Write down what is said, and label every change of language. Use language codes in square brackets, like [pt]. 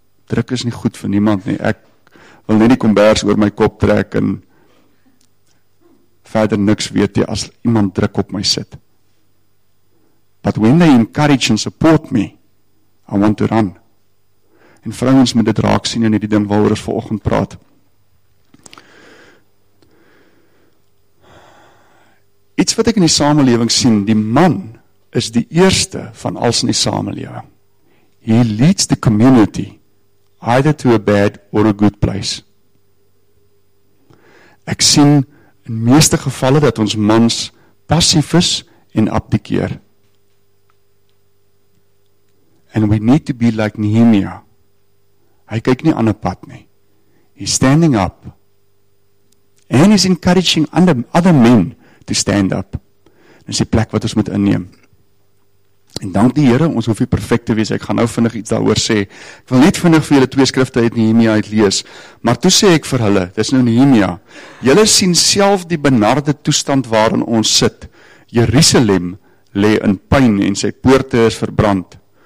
[af] Druk is nie goed vir niemand nie. Ek wil net die kombers oor my kop trek en verder niks weet jy as iemand druk op my sit. [en] But when they encourage and support me, I want to run. [af] En vrouens moet dit raak sien in hierdie ding waaroor ons vanoggend praat. Iets wat ek in die samelewing sien, die man is die eerste van alles in die samelewing. [en] He leads the community either to a bad or a good place. [af] Ek sien in meeste gevalle dat ons mans passief is en abdikeer. [en] And we need to be like Nehemia. [af] Hy kyk nie aan 'n pad nie. [en] He's standing up. And he's encouraging other men to stand up. [af] Dis die plek wat ons moet inneem. En dank die Here, ons hoef nie perfek te wees. Ek gaan nou vinnig iets daaroor sê. Ek wil net vinnig vir julle twee skrifte uit Nehemia uitlees. Maar toe sê ek vir hulle, dis nou Nehemia. Julle sien self die benarde toestand waarin ons sit. Jerusalem lê in pyn en sy poorte is verbrand.